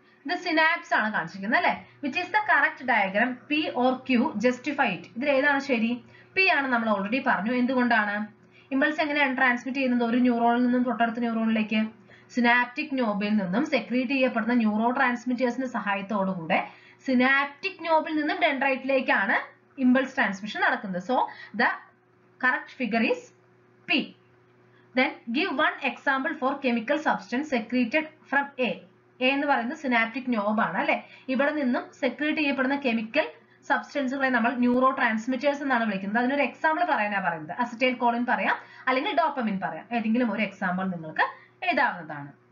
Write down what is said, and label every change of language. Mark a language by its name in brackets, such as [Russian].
[Malayalam] ഇത് സിനാപ്സ് ആണ് കാണിച്ചിരിക്കുന്നത് അല്ലെ. [English] Which is the correct diagram, P or Q justified? [Malayalam] ഇതിൽ ഏതാണ് ശരി? പി ആണ് നമ്മൾ ഓൾറെഡി പറഞ്ഞു. എന്തുകൊണ്ടാണ്? ഇമ്പൾസ് എങ്ങനെയാണ് ട്രാൻസ്മിറ്റ് ചെയ്യുന്നത്? ഒരു ന്യൂറോണിൽ നിന്നും തൊട്ടടുത്ത ന്യൂറോണിലേക്ക്. സിനാപ്റ്റിക് ന്യൂബിൽ നിന്നും സെക്രീറ്റ് ചെയ്യപ്പെടുന്ന ന്യൂറോ ട്രാൻസ്മിറ്റേഴ്സിന്റെ സഹായത്തോടുകൂടെ സിനാപ്റ്റിക് ന്യൂബിൽ നിന്നും ഡെൻഡ്രൈറ്റിലേക്കാണ് ഇമ്പൾസ് ട്രാൻസ്മിഷൻ നടക്കുന്നത്. [English] So the correct figure is P. Then give one example for chemical substance secreted from A. [Malayalam] A എന്ന് പറയുന്നത് സിനാപ്റ്റിക് ന്യൂബ് ആണ് അല്ലെ. ഇവിടെ നിന്നും സെക്രീറ്റ് ചെയ്യപ്പെടുന്ന കെമിക്കൽ സബ്സ്റ്റൻസുകളെ നമ്മൾ ന്യൂറോ ട്രാൻസ്മിറ്റേഴ്സ് എന്നാണ് വിളിക്കുന്നത്. അതിനൊരു എക്സാമ്പിൾ പറയാനാണ് പറയുന്നത്. അസറ്റൈൽ കോളിൻ പറയാം, അല്ലെങ്കിൽ ഡോപ്പമിൻ പറയാം. ഏതെങ്കിലും ഒരു എക്സാമ്പിൾ നിങ്ങൾക്ക് എഴുതാവുന്നതാണ്.